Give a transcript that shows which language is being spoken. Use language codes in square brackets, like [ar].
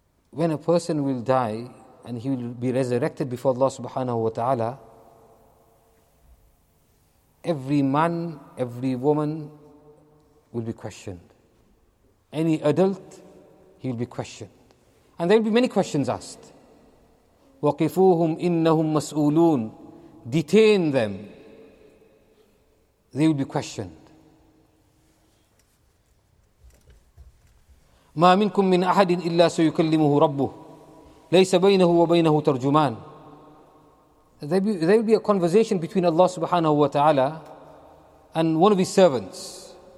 [en] When a person will die and he will be resurrected before Allah subhanahu wa ta'ala, every man, every woman will be questioned. Any adult, he will be questioned. And there will be many questions asked. [ar] وَقِفُوهُمْ إِنَّهُمْ مَسْؤُولُونَ [en] Detain them. They will be questioned. [ar] مَا مِنْكُمْ مِنْ أَحَدٍ إِلَّا سَيُكَلِّمُهُ رَبُّهُ لَيْسَ بَيْنَهُ وَبَيْنَهُ تَرْجُمَانَ [en] There will be a conversation between Allah subhanahu wa ta'ala and one of his servants.